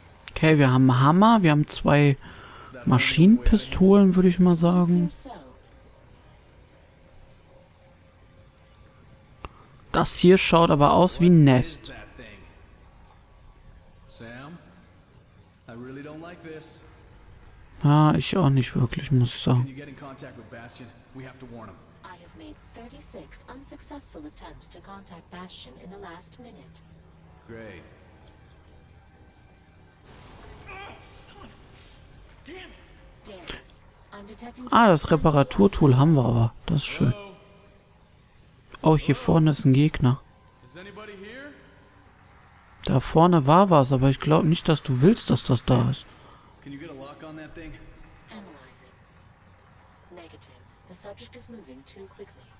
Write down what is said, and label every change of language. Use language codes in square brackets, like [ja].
[de] Okay, wir haben Hammer, wir haben 2 Maschinenpistolen, würde ich mal sagen. Das hier schaut aber aus wie ein Nest. [en] Sam, I really don't like this. [de] Ja, ich auch nicht wirklich, muss ich sagen. [en] Can you get in contact with Bastion? We have to warn him. I have made 36 unsuccessful attempts to contact Bastion in the last minute. Great. Damn. Darius, I'm detecting... [de] Ah, das Reparaturtool haben wir aber. Das ist schön. Oh, hier vorne ist ein Gegner. [en] Is anybody here? [de] Da vorne war was, aber ich glaube nicht, dass du willst, dass das da ist. [en] Can you get a lock on that thing? Analyzing. Negative. The subject is moving too quickly.